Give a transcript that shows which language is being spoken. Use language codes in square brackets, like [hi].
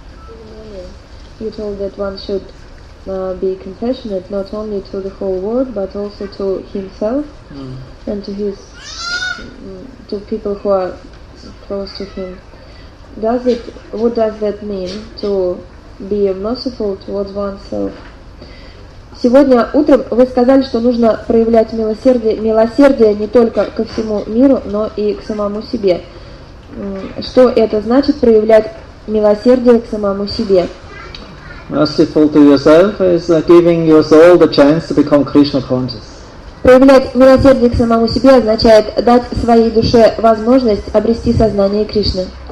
[en] Oh, yeah. You told that one should be compassionate not only to the whole world but also to himself and to his to people who are close to him. What does that mean to be merciful towards oneself? [ru] Сегодня утром вы сказали, что нужно проявлять милосердие не только ко всему миру, но и к самому себе. Что это значит проявлять милосердие к самому себе? [en] Merciful to yourself is giving your soul the chance to become Krishna conscious. [ru] Проявлять милосердие к самому себе означает дать своей душе возможность обрести сознание Кришны.